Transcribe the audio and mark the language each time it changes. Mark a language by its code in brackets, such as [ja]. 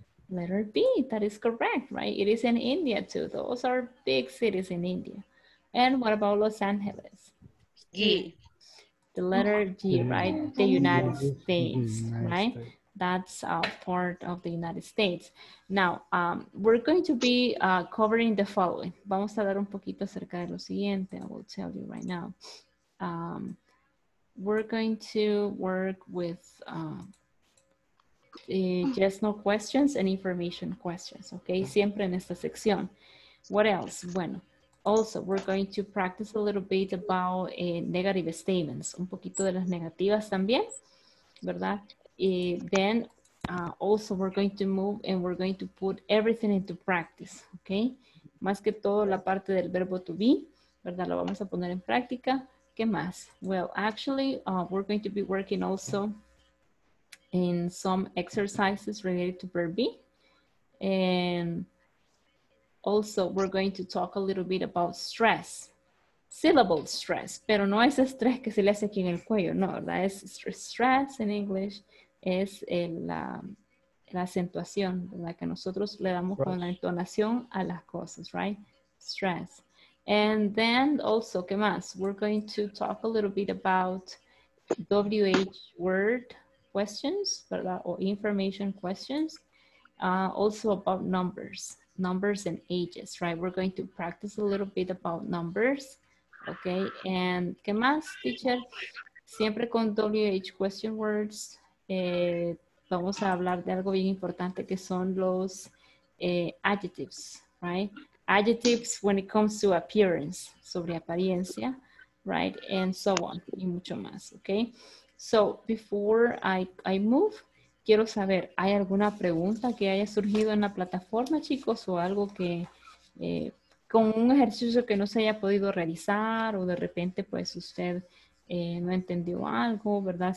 [en] Letter B, that is correct, right? It is in India too. Those are big cities in India. And what about Los Angeles? G. The letter G, right? The United States, right? That's a part of the United States. Now, we're going to be covering the following. [es] Vamos a hablar un poquito acerca de lo siguiente. [en] I will tell you right now. We're going to work with yes, no questions and information questions, okay? [es] Siempre en esta sección. [en] What else? Bueno, also, we're going to practice a little bit about negative statements. [es] Un poquito de las negativas también, ¿verdad? [en] Then also we're going to move and we're going to put everything into practice, okay? [es] Más que todo la parte del verbo to be, ¿verdad? Lo vamos a poner en práctica. ¿Qué más? [en] Well, actually, we're going to be working also in some exercises related to verb be. And also we're going to talk a little bit about stress. Syllable stress, [es] pero no es estrés que se le hace aquí en el cuello, no, ¿verdad? Es [en] stress in English. [es] Es la acentuación, la que nosotros le damos con la entonación a las cosas, right? [en] Stress. And then also, [es] ¿qué más? [en] We're going to talk a little bit about WH word questions, ¿verdad? O information questions. Also about numbers, numbers and ages, right? We're going to practice a little bit about numbers, okay? And [es] ¿qué más, [en] teacher? [es] Siempre con [en] WH question words. [es] Vamos a hablar de algo bien importante que son los adjectives, [en] right? Adjectives when it comes to appearance, [es] sobre apariencia, [en] right? And so on, [es] y mucho más, [en] okay? So, before I move, [es] quiero saber, ¿hay alguna pregunta que haya surgido en la plataforma, chicos? O algo que, con un ejercicio que no se haya podido realizar, o de repente, pues, usted no entendió algo, ¿verdad?